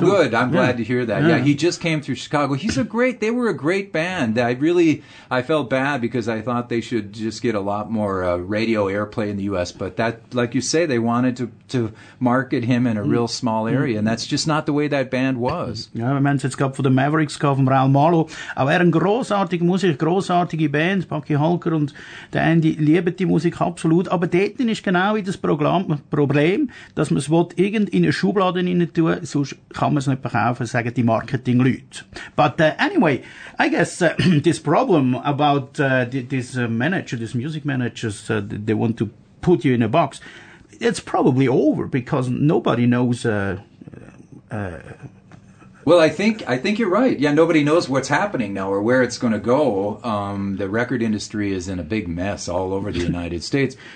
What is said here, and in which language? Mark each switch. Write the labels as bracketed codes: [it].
[en] too. Oh, good. I'm glad to hear that. Yeah. He just came through Chicago. They were a great band. I felt bad because I thought they should just get a lot more radio airplay in the U.S. But that, like you say, they wanted to market him in a real small area. And that's just not the way that band was. [de] Ja, wir haben es jetzt gehabt von den Mavericks, von Ralph Molo. Aber er ein großartiger Musiker, großartige Band. Bucky Holker und der Andy lieben die Musik absolut. Aber dort ist genau wie das Problem, dass man es irgend in eine Schublade rein tun will, sonst kann man es nicht verkaufen, sagen die Marketing-Leute. [en] But anyway, I guess this problem about this manager, this music manager, they want to put you in a box, it's probably over because nobody knows... Well, I think you're right. Yeah, nobody knows what's happening now or where it's going to go. The record industry is in a big mess all over the United States.